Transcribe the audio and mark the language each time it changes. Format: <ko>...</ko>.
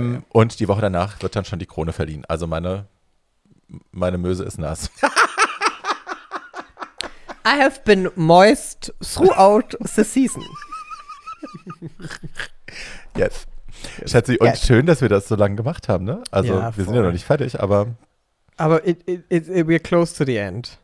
<de>Und die Woche danach wird dann schon die Krone verliehen. Also, meine Möse ist nass.</de> <en>I have been moist throughout the season. Yes.</en> <de>Schätze, und schön, dass wir das so lange gemacht haben, ne? Also, ja, wir sind ja noch nicht fertig, aber. Aber</de> <en>we're close to the end.</en>